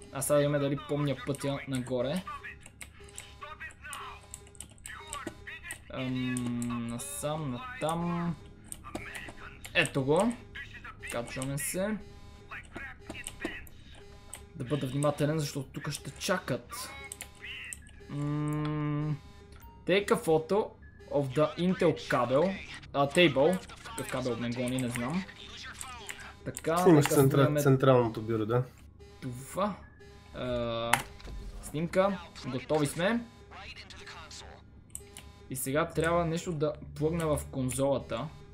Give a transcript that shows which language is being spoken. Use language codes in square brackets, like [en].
[bg] А сега имаме дали помня пътя нагоре. Насам, натам. Ето го. Качваме се. Да бъда внимателен, защото тук ще чакат. [en] Take a photo of the Intel кабел. Table. [bg] Какъв кабел не гони, не знам. Така, снимаш централното бюро, да? Това. Снимка. Готови сме. И сега трябва нещо да плъгна в конзолата.